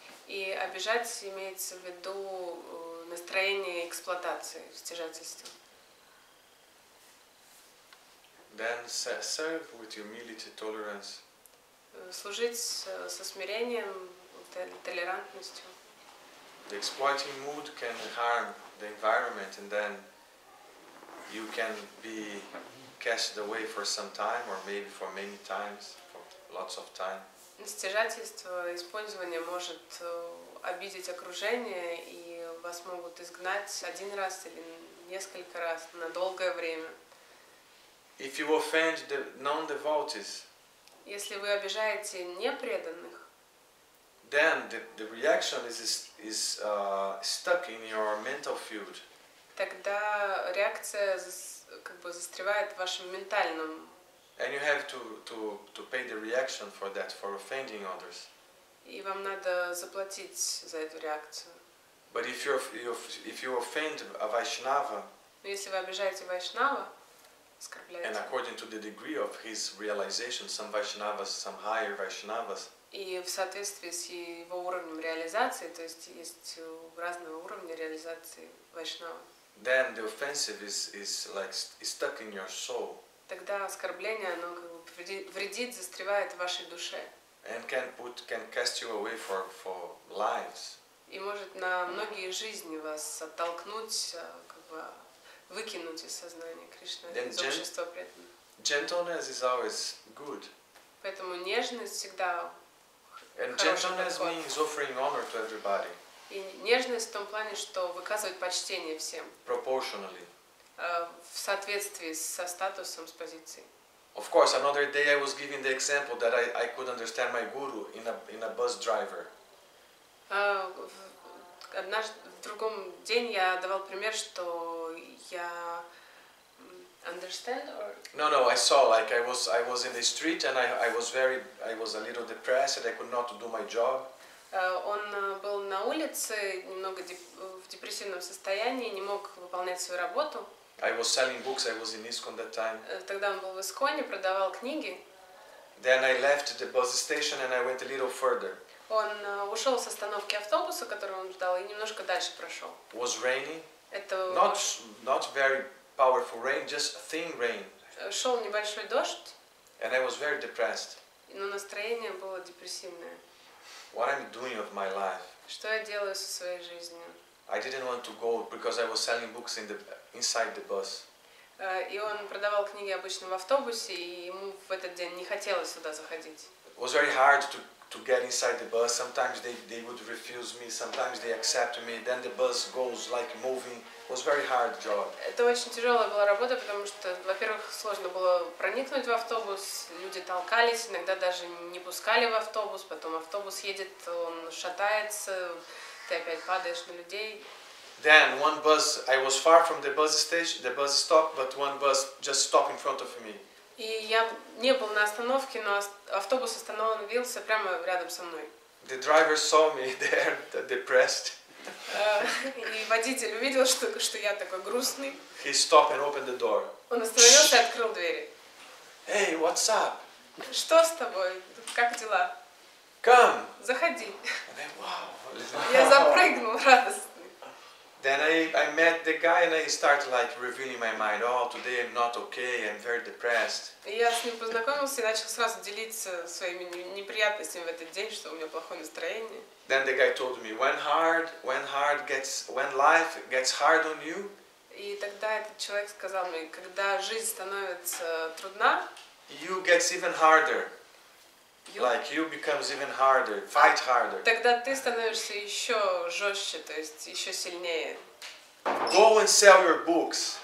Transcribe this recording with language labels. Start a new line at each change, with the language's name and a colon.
Russian: И обижать имеется в виду настроение эксплуатации, стяжательства.
English: Then serve with humility, tolerance.
Russian: Служить со смирением, толерантностью.
English: The exploiting mood can harm the environment, and then you can be cast away for some time, or maybe for many times, for lots of time.
Russian: Стяжательство, использование может обидеть окружение, и вас могут изгнать один раз или несколько раз на долгое время.
English: If you offend the non-devotees,
Russian: если вы обижаете непреданных,
English: then the reaction is stuck in your mental field.
Russian: Тогда реакция как бы застревает в вашем ментальном.
English: And you have to pay the reaction for that, for offending others.
Russian: И вам надо заплатить за эту реакцию.
English: But if you offend a Vaishnava,
Russian: если вы обижаете Вайшнава, оскорбляете.
English: And according to the degree of his realization, some Vaishnavas, some higher Vaishnavas.
Russian: И в соответствии с его уровнем реализации, то есть разного уровня реализации Вайшнава.
English: Then the offensive is stuck in your soul.
Russian: Тогда оскорбление, оно как бы вредит, застревает в вашей душе.
English: And can cast you away for lives.
Russian: И может на многие жизни вас оттолкнуть, как бы выкинуть из сознания Кришны, из общества преданных.
English: Gentleness is always good.
Russian: Поэтому нежность всегда
English: Means offering honor to everybody.
Russian: И нежность в том плане, что выказывать почтение всем.
English: Proportionally.
Russian: В соответствии со статусом, с позицией.
English: Of course, another day I was giving the example that I could understand my guru in a bus driver.
Russian: В другом день я давал пример, что я
English: understand or. No, I saw like I was in the street and I was a little depressed and I could not do my job.
Russian: Он был на улице, немного в депрессивном состоянии, не мог выполнять свою работу.
English: I was selling books. I was in ISKCON that time.
Russian: Тогда он был в ИСКОНе, продавал книги.
English: Then I left the bus station and I went a little further.
Russian: Он ушел с остановки автобуса, которого он ждал, и немножко дальше прошел.
English: Was rainy.
Russian: Это
English: not very powerful rain, just thin rain.
Russian: Шел небольшой дождь.
English: And I was very depressed.
Russian: Но настроение было депрессивное.
English: What am I doing with my life?
Russian: Что я делаю со своей жизнью?
English: I didn't want to go because I was selling books inside the bus.
Russian: И он продавал книги обычно в автобусе, и ему в этот день не хотелось сюда заходить.
English: It was very hard to get inside the bus. Sometimes they would refuse me, sometimes they accept me. Then the bus goes like moving. It was very hard job.
Russian: Это очень тяжелая была работа, потому что, во-первых, сложно было проникнуть в автобус. Люди толкались, иногда даже не пускали в автобус. Потом автобус едет, он шатается. Ты опять падаешь на людей.
English: Then one bus, I was far from the bus station, the bus stop, but one bus just stopped in front of me.
Russian: И я не был на остановке, но автобус остановился прямо рядом со мной.
English: The driver saw me there, depressed.
Russian: И водитель увидел, что я такой грустный.
English: He stopped and opened the door.
Russian: Он остановился и открыл двери.
English: Hey, what's up?
Russian: Что с тобой? Как дела?
English: Come.
Russian: Заходи.
English: And then, wow, what is
Russian: that? Я запрыгнул радостный.
English: Then I met the guy and I started like revealing my mind. Oh, today I'm not okay. I'm very depressed.
Russian: Я с ним познакомился и начал сразу делиться своими неприятностями в этот день, что у меня плохое настроение.
English: Then the guy told me, when life gets hard on you.
Russian: И тогда этот человек сказал мне, когда жизнь становится трудна.
English: You gets even harder. Like you becomes even harder, fight harder.
Russian: Тогда ты становишься еще жестче, то есть еще сильнее.
English: Go and sell your books.